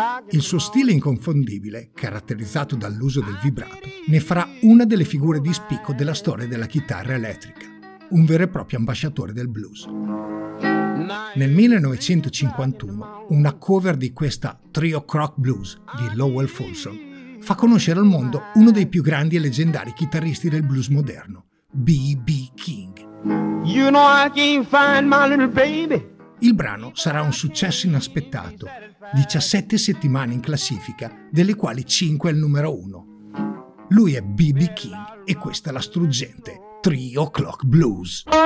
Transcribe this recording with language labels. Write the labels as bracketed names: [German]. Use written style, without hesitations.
[Italian] Il suo stile inconfondibile, caratterizzato dall'uso del vibrato, ne farà una delle figure di spicco della storia della chitarra elettrica, un vero e proprio ambasciatore del blues. Nel 1951, una cover di questa Trio Crock Blues di Lowell Fulson fa conoscere al mondo uno dei più grandi e leggendari chitarristi del blues moderno, B.B. King. [English] You know I can't find my little baby. [Italian] Il brano sarà un successo inaspettato, 17 settimane in classifica, delle quali 5 è il numero 1. Lui è B.B. King e questa è la struggente 3 o'clock blues.